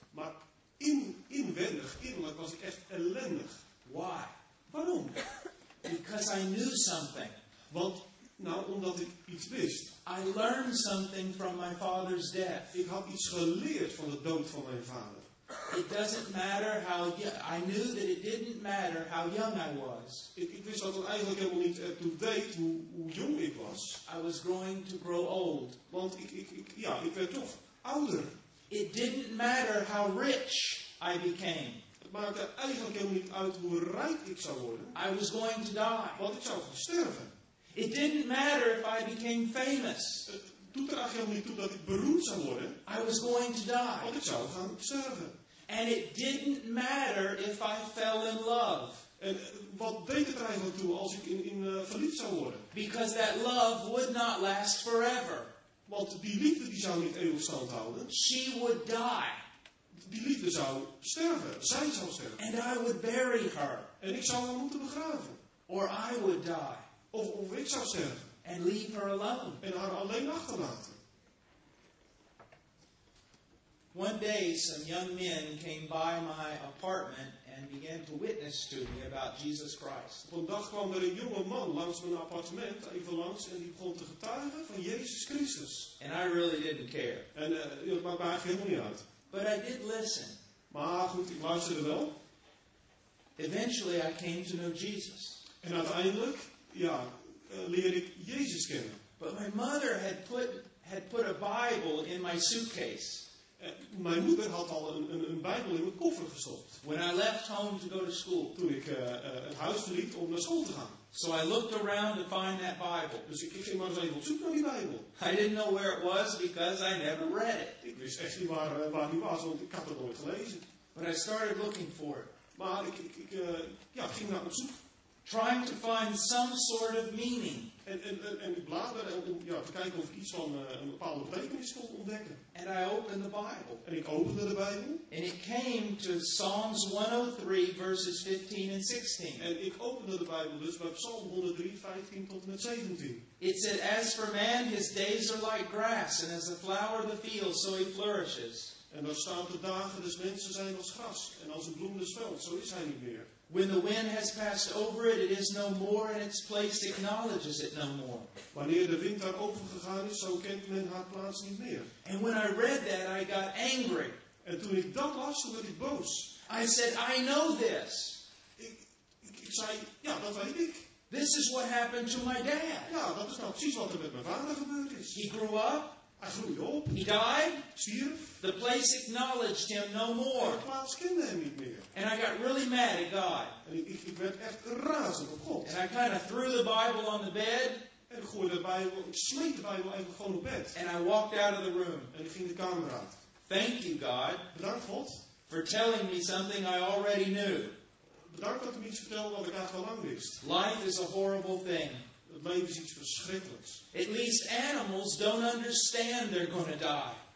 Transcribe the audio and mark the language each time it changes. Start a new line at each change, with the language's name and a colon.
Dutch: Maar innerlijk was ik echt ellendig.
English: Why?
Dutch: Waarom?
English: Because I knew something.
Dutch: Want, nou, omdat ik iets wist.
English: I learned something from my father's death.
Dutch: Ik had iets geleerd van de dood van mijn vader.
English: It doesn't matter how I knew that it didn't matter how young I was.
Dutch: Ik wist dat het eigenlijk helemaal niet ertoe deed hoe jong ik was.
English: I was going to grow old.
Dutch: Want ik werd toch ouder.
English: It didn't matter how rich I became.
Dutch: Het maakte eigenlijk helemaal niet uit hoe rijk ik zou worden.
English: I was going to die.
Dutch: Want ik zou gaan sterven.
English: It didn't matter if I became famous.
Dutch: Het doet er eigenlijk helemaal niet toe dat ik beroemd zou worden.
English: I was going to die.
Dutch: Want ik zou gaan sterven.
English: And it didn't matter if I fell in love.
Dutch: En wat deed het er eigenlijk toe als ik in verliefd zou worden?
English: Because that love would not last forever.
Dutch: Want die liefde die zou niet eeuwig stand houden.
English: She would die.
Dutch: Die liefde zou sterven. Zij zou sterven.
English: And I would bury her.
Dutch: En ik zou haar moeten begraven.
English: Or I would die.
Dutch: Of ik zou sterven.
English: And leave her alone.
Dutch: En haar alleen achterlaten.
English: One day some young men came by my apartment and began to witness to me about Jesus Christ.
Dutch: Op een dag kwam er een jonge man langs mijn appartement, even langs, en die begon te getuigen van Jezus Christus.
English: And I really didn't care.
Dutch: En het maakte eigenlijk helemaal niet uit.
English: But I did listen.
Dutch: Maar goed, ik luisterde wel.
English: Eventually I came to know Jesus.
Dutch: En uiteindelijk, ja, leer ik Jezus kennen.
English: But my mother had put a Bible in my suitcase.
Dutch: Mijn moeder had al een Bijbel in mijn koffer gestopt.
English: When I left home to go to school.
Dutch: Toen ik het huis verliet om naar school te gaan.
English: So I looked around to find that Bible.
Dutch: Dus ik ging maar eens even op zoek naar die Bijbel.
English: I didn't know where it was because I never read it.
Dutch: Ik wist echt niet waar die was, want ik had het nooit gelezen.
English: But I started looking for it.
Dutch: Maar ik ging naar op zoek.
English: Trying to find some sort of meaning.
Dutch: En ik blader te kijken of ik iets van een bepaalde betekenis kon ontdekken.
English: And I opened the Bible.
Dutch: En ik opende de Bijbel.
English: And it came to Psalms 103 verses 15 and 16.
Dutch: En ik opende de Bijbel dus bij Psalm 103, 15 tot en met 17.
English: It said, as for man, his days are like grass, and as the flower of the field, so he flourishes.
Dutch: En dan staat de dagen des mensen zijn als gras, en als een bloem des veld, zo is hij niet meer.
English: When the wind has passed over it, it is no more, and its place acknowledges it no more.
Dutch: Wanneer de wind daar overgegaan is, zo kent men haar plaats niet meer.
English: And when I read that, I got angry.
Dutch: En toen ik dat las, toen werd ik boos.
English: I said, I know this.
Dutch: Ik zei, ja, dat weet ik.
English: This is what happened to my dad.
Dutch: Ja, dat is nou precies wat er met mijn vader gebeurd is.
English: He grew up.
Dutch: Hij groeide op.
English: He died.
Dutch: Stierf.
English: The place acknowledged him no more.
Dutch: De plaats kende hem niet meer.
English: And I got really mad at God.
Dutch: En ik werd echt razend op God.
English: And I kind of threw the Bible on the bed.
Dutch: En ik smeet de Bijbel even gewoon op bed.
English: And I walked out of the room.
Dutch: En ik ging de kamer uit.
English: Thank you, God.
Dutch: Bedankt, God.
English: For telling me something I already knew.
Dutch: bedankt dat u me iets vertelde wat ik eigenlijk al lang wist.
English: Life is a horrible thing.
Dutch: Het leven is iets verschrikkelijks.
English: At least animals don't understand they're going to die.